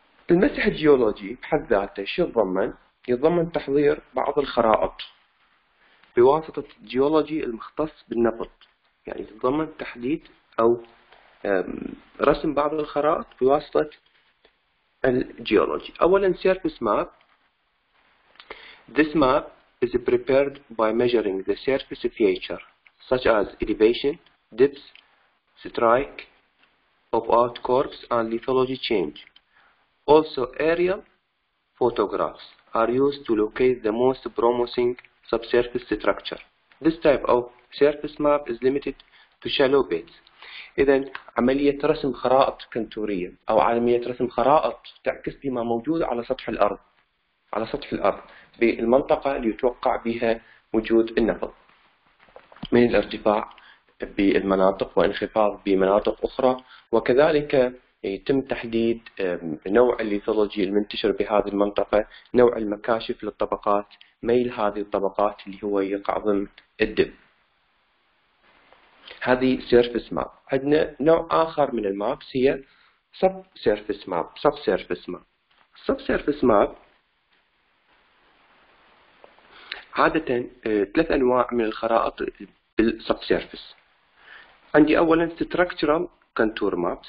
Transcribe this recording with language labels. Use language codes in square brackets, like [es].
[ar] المسح الجيولوجي بحد ذاته شو يتضمن؟ يتضمن تحضير بعض الخرائط بواسطة الجيولوجي المختص بالنفط، يعني يتضمن تحديد أو رسم بعض الخرائط بواسطة الجيولوجي. أولا [en] surface map. This map is prepared by measuring the surface feature such as elevation, depth, strike of outcrops and lithology change. Also aerial photographs are used to locate the most promising subsurface structure. This type of surface map is limited to shallow beds. [ar] إذا عملية رسم خرائط كنتورية أو عملية رسم خرائط تعكس بما موجود على سطح الأرض، على سطح الأرض بالمنطقة اللي يتوقع بها وجود النفط، من الارتفاع بالمناطق وانخفاض بمناطق أخرى، وكذلك يتم تحديد نوع الليثولوجي المنتشر بهذه المنطقة، نوع المكاشف للطبقات، ميل هذه الطبقات اللي هو يقع ضمن الدب. هذه surface map. عندنا نوع آخر من المابس هي subsurface map. subsurface map. subsurface map عادة ثلاث أنواع من الخرائط بالsubsurface. عندي أولا structural contour map.